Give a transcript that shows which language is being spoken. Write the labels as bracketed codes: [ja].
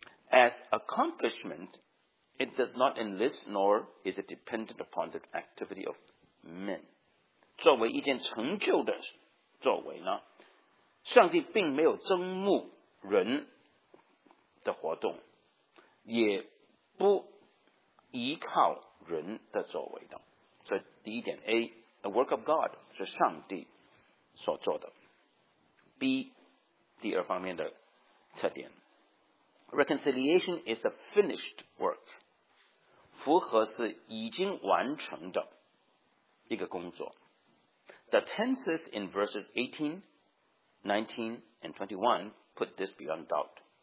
[en] As accomplishment, it does not enlist nor is it dependent upon the activity of men. [zh] 作为一件成就的作为呢，上帝并没有征募人的活动，也不依靠人的作为的。所以第一点，A, [en] the work of God [zh] 是上帝所做的。B, 第二方面的特点。 [en] Reconciliation is a finished work. [zh] 复合是已经完成的一个工作。The [en] tenses in verses 18, 19, and 21 put this beyond doubt.